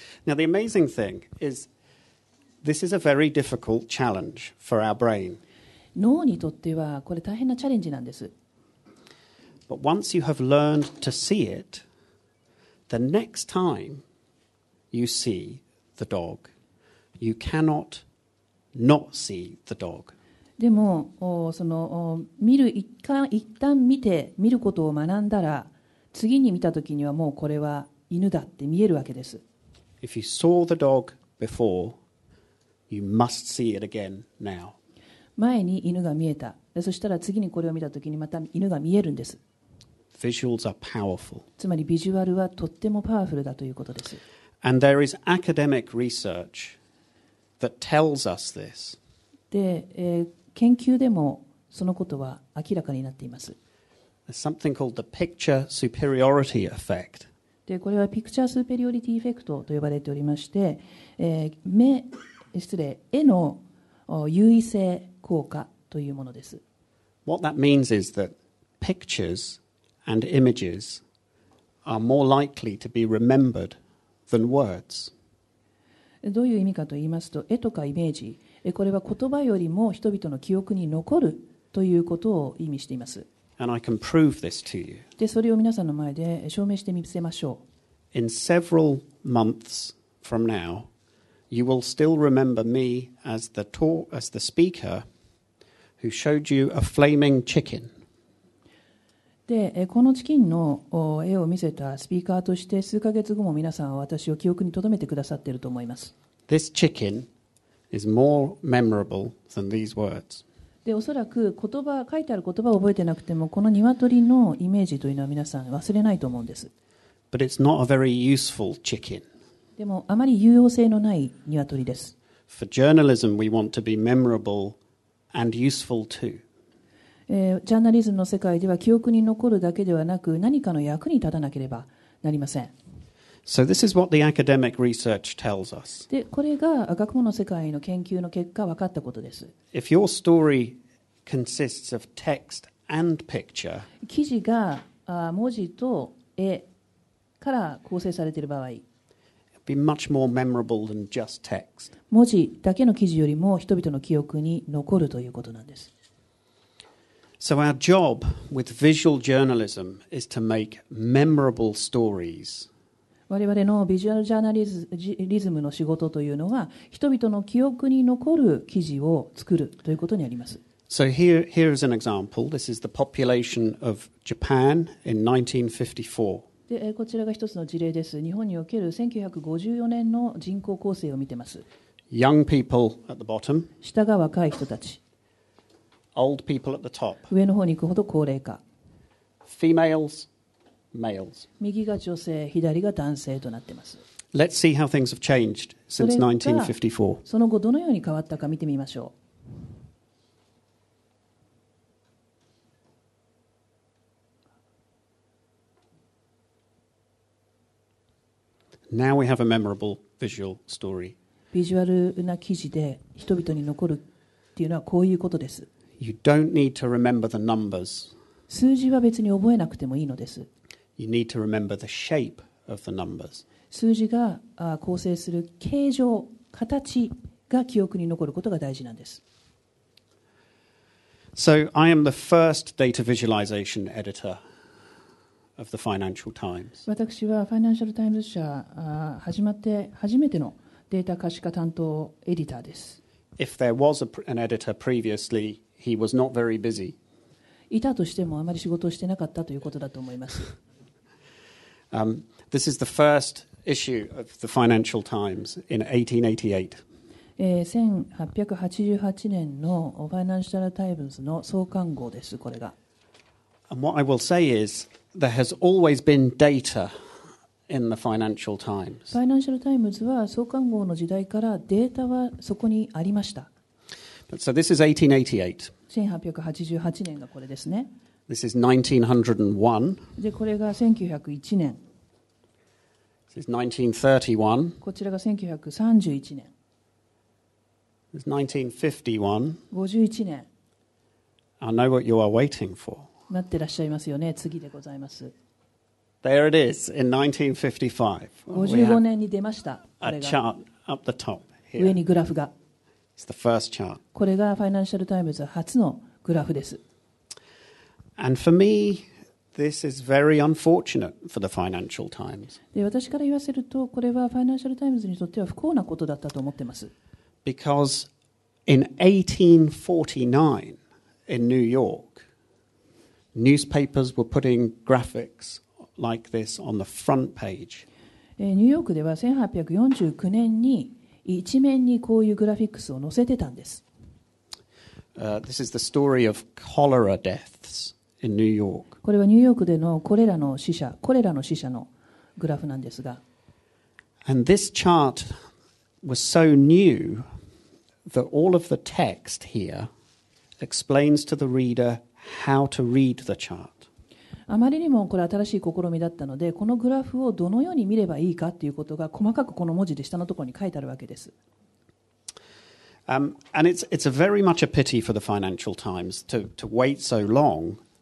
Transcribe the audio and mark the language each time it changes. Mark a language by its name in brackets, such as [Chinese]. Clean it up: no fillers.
[English] Now the amazing thing is, this is a very difficult challenge for our brain. [Japanese] 脳にとってはこれ大変なチャレンジなんです。 [English] But once you have learned to see it, the next time you see the dog, you cannot not see the dog. [Japanese] でもその見る一旦見て見ることを学んだら、次に見たときにはもうこれは犬だって見えるわけです。 [English] If you saw the dog before, you must see it again now. [Japanese] 前に犬が見えた。そしたら次にこれを見たときにまた犬が見えるんです。 [English] Visuals are powerful. [Japanese] つまりビジュアルはとってもパワフルだということです。 [English] And there is academic research that tells us this. [Japanese] で、研究でもそのことは明らかになっています。 [English] There's something called the picture superiority effect. [Japanese] でこれはピクチャースーペリオリティエフェクトと呼ばれておりまして、絵の優位性効果というものです。 [English] What that means is that pictures and images are more likely to be remembered than words. [Japanese] どういう意味かと言いますと、絵とかイメージ、これは言葉よりも人々の記憶に残るということを意味しています。 [English] And I can prove this to you. [Japanese] でそれを皆さんの前で証明してみせましょう。 [English] In several months from now, you will still remember me as the speaker who showed you a flaming chicken. [Japanese] でこのチキンの絵を見せたスピーカーとして数ヶ月後も皆さんは私を記憶に留めてくださっていると思います。 [English] This chicken is more memorable than these words. [Japanese] でおそらく言葉書いてある言葉を覚えてなくてもこの鶏のイメージというのは皆さん忘れないと思うんです。 [English] But it's not a very useful chicken. [Japanese] でもあまり有用性のない鶏です。 [English] For journalism, we want to be memorable and useful too. [Japanese] ジャーナリズムの世界では記憶に残るだけではなく何かの役に立たなければなりません。 [English] So this is what the academic research tells us. [Japanese] で、これが学問の世界の研究の結果分かったことです。 [English] If your story consists of text and picture, [Japanese] 記事が文字と絵から構成されている場合、 [English] it'd be much more memorable than just text. [Japanese] 文字だけの記事よりも人々の記憶に残るということなんです。 [English] So our job with visual journalism is to make memorable stories. [Japanese] 我々のビジュアルジャーナリズムの仕事というのは人々の記憶に残る記事を作るということにあります。 [English] So here is an example. This is the population of Japan in 1954. [Japanese] でこちらが一つの事例です。日本における1954年の人口構成を見てます。 [English] Young people at the bottom. [Japanese] 下が若い人たち。 [English] Old people at the top. [Japanese] 上の方に行くほど高齢化。 [English] Females. Males. [Japanese] 右が女性、左が男性となっています。 [English] Let's see how things have changed since 1954. [Japanese] その後どのように変わったか見てみましょう。 [English] Now we have a memorable visual story. [Japanese] ビジュアルな記事で人々に残るっていうのはこういうことです。 [English] You don't need to remember the numbers. [Japanese] 数字は別に覚えなくてもいいのです。 [English] You need to remember the shape of the numbers. [Japanese] 数字が構成する形状、形が記憶に残ることが大事なんです。 [English] So I am the first data visualization editor of the Financial Times. [Japanese] 私はファイナンシャルタイムズ社始まって初めてのデータ可視化担当エディターです。 [English] If there was an editor previously, he was not very busy. [Japanese] いたとしてもあまり仕事をしてなかったということだと思います。 [English] This is the first issue of the Financial Times in 1888. [Japanese] 1888年のファイナンシャルタイムズの創刊号です、これが。 [English] And what I will say is, there has always been data in the Financial Times. [Japanese] ファイナンシャルタイムズは創刊号の時代からデータはそこにありました。 [English] But, so this is [Japanese] 1888. 1888年がこれですね。 [English] This is 1901. [Japanese] で、これが1901年。 [English] This is 1931. [Japanese] こちらが1931年。 [English] This is 1951. [Japanese] 51年。 [English] I know what you are waiting for. [Japanese] なってらっしゃいますよね。次でございます。 [English] There it is, in 1955. [Japanese] 55年に出ました。 [English] A chart up the top here. [Japanese] 上にグラフが。 [English] It's the first chart. [Japanese] これがファイナンシャルタイムズ初のグラフです。 [English] And for me,This is very unfortunate for the Financial Times. [Japanese] で、私から言わせると、これはファイナンシャルタイムズにとっては不幸なことだったと思ってます。 [English] Because in 1849 in New York, newspapers were putting graphics like this on the front page. [Japanese] ニューヨークでは1849年に一面にこういうグラフィックスを載せてたんです。 [English] This is the story of cholera deaths. In New York. [Japanese] これはニューヨークでのコレラの死者、コレラの死者のグラフなんですが。 [English] And this chart was so new that all of the text here explains to the reader how to read the chart. [Japanese] あまりにもこれ新しい試みだったので、このグラフをどのように見ればいいかということが細かくこの文字で下のところに書いてあるわけです。 [English] And it's a very much a pity for the Financial Times to wait so long.